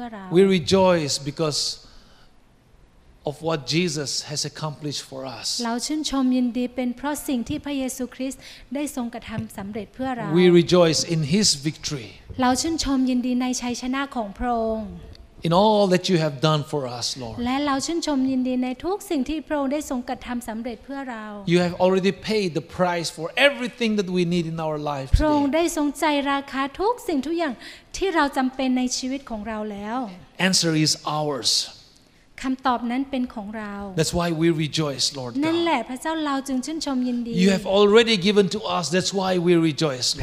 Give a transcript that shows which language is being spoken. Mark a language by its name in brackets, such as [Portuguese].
[English] We rejoice because of what Jesus has accomplished for us. [Thai] เราชื่นชมยินดีเป็นเพราะสิ่งที่พระเยซูคริสต์ได้ทรงกระทําสําเร็จเพื่อเรา [English] We rejoice in his victory. [Thai] เราชื่นชมยินดีในชัยชนะของพระองค์ [English] In all that you have done for us, Lord. [Thai] และเราชื่นชมยินดีในทุกสิ่งที่พระองค์ได้ทรงกระทําสําเร็จเพื่อเรา [English] You have already paid the price for everything that we need in our life. [Thai] พระองค์ได้ทรงจ่ายราคาทุกสิ่งทุกอย่างที่เราจําเป็นในชีวิตของเราแล้ว [English] Answer is ours. [Thai] คำตอบนั้นเป็นของเรา [English] That's why we rejoice, Lord God. [Thai] นั่นแหละพระเจ้าเราจึงชื่นชมยินดี [English] You have already given to us. That's why we rejoice, Lord.